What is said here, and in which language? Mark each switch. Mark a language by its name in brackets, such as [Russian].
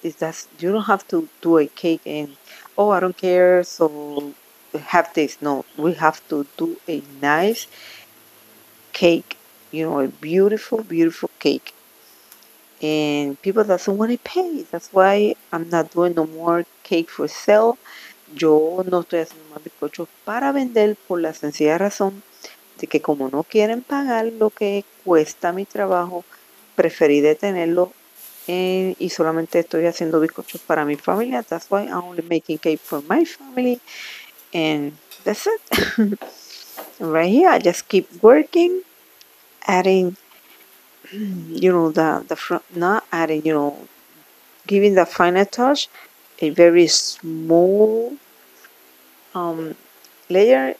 [English] It's just, you don't have to do a cake and, oh, I don't care, so have this. No, we have to do a nice cake. You know, a beautiful, beautiful cake. And people doesn't want to pay. That's why I'm not doing no more cake for sale. [Spanish] Yo no estoy haciendo más bizcochos para vender, por la sencilla razón de que, como no quieren pagar lo que cuesta mi trabajo, preferí detenerlo. Y solamente estoy haciendo bizcochos para mi familia. [English] That's why I'm only making cake for my family. And that's it. Right here, I just keep working. adding, you know, the front, not adding, you know, giving the final touch, a very small layer.